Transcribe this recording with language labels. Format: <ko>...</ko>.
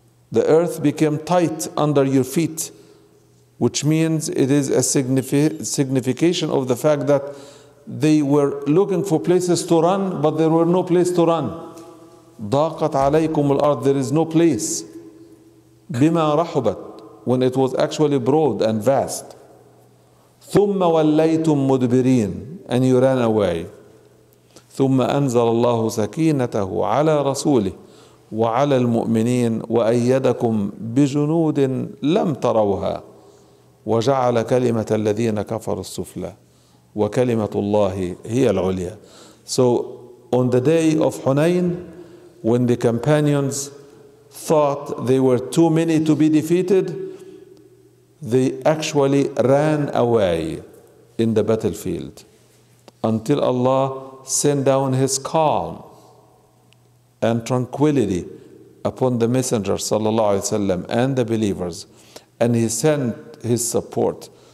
<en>The earth became tight under your feet, which means it is a signification of the fact that they were looking for places to run, but there were no place to run.</en> <ar>ضاقت عليكم الأرض,</ar> <en>there is no place.</en> <ar>بما رحبت,</ar> <en>when it was actually broad and vast.</en> <ar>ثم وليتم مدبرين,</ar> <en>and you ran away.</en> <ar>ثم أنزل الله سكينته على رسوله وعلى المؤمنين وأيدكم بجنود لم تروها وجعل كلمة الذين كفروا السفلى وكلمة الله هي العليا.</ar> <en>So on the day of Hunayn, when the companions thought they were too many to be defeated, they actually ran away in the battlefield until Allah sent down his calm and tranquility upon the messenger sallallahu alaihi wasallam and the believers, and he sent his support.</en>